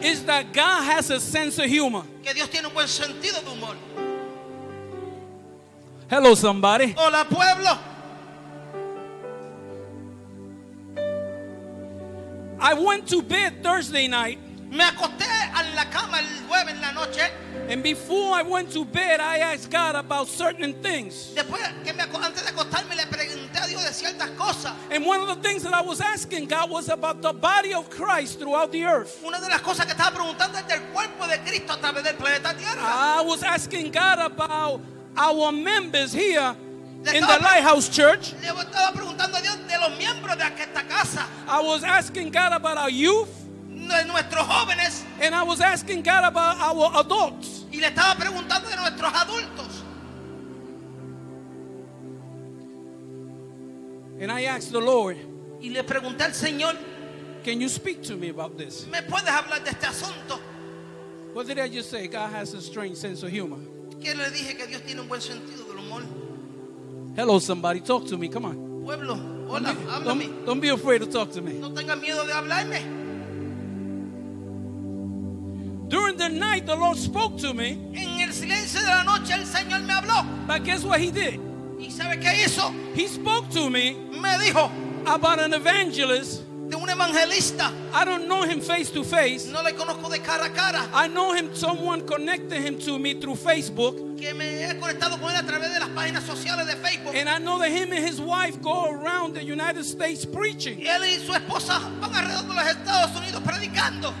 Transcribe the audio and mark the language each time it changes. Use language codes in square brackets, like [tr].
[en] is that God has a sense of humor. [es] Que Dios tiene un buen sentido de humor. [en] Hello, somebody. [es] Hola, pueblo. [en] I went to bed Thursday night. [es] Me acosté a la cama el jueves en la noche. [en] And before I went to bed, I asked God about certain things. [es] Después que me antes de acostarme le pregunté a Dios de ciertas cosas. [en] And one of the things that I was asking God was about the body of Christ throughout the earth. [es] Una de las cosas que estaba preguntando es del cuerpo de Cristo a través del planeta Tierra. [en] I was asking God about our members here in the Lighthouse Church. [es] Le estaba preguntando a Dios de los miembros de esta casa. [en] I was asking God about our youth. [es] De nuestros jóvenes. [en] And I was asking God about our adults. [es] Y le estaba preguntando de nuestros adultos. [en] And I asked the Lord, [es] y le pregunté al Señor, [en] can you speak to me about this? [es] ¿Me puedes hablar de este asunto? [en] What did I just say? God has a strange sense of humor. [es] ¿Qué le dije? Que Dios tiene un buen sentido del humor. [en] Hello, somebody, talk to me. Come on. [es] Pueblo, hola, háblame. [en] Don't be afraid to talk to me. [es] No tenga miedo de hablarme. [en] During the night, the Lord spoke to me. [es] En el silencio de la noche, el Señor me habló. [en] But guess what he did? [es] ¿Y sabe qué hizo? [en] He spoke to me. [es] Me dijo [en] about an evangelist. [es] De un evangelista. [en] I don't know him face to face. [es] No le conozco de cara a cara. [en] I know him. Someone connected him to me through Facebook. [es] Que me he conectado con él a través de las páginas sociales de Facebook. [en] And I know that him and his wife go around the United States preaching. [es] Y él y su esposa van alrededor de los Estados Unidos predicando.